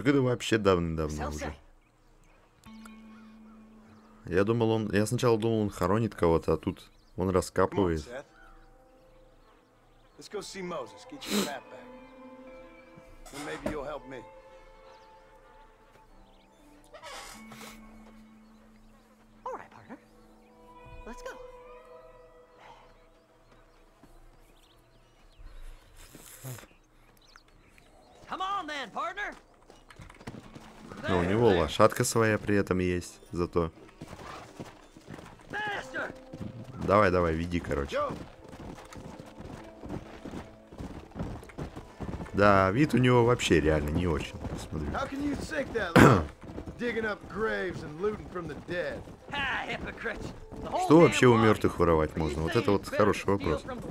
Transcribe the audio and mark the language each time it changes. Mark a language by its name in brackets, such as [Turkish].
[Russian] Это вообще давным-давно уже. Я сначала думал, он хоронит кого-то, а тут он раскапывает. [English] Let's go see Moses, get your map back. Then maybe you'll help me. All right, partner. Let's go. Come on then, partner. [Russian] Ну, у него лошадка своя при этом есть, зато. [English] Master! [Russian] Давай, давай, веди, короче. Да, вид у него вообще реально не очень. [English] How can you think that? Digging up graves and looting from the dead. Ha, hypocrites! [Russian] Что вообще у мертвых воровать можно? Вот это вот хороший вопрос.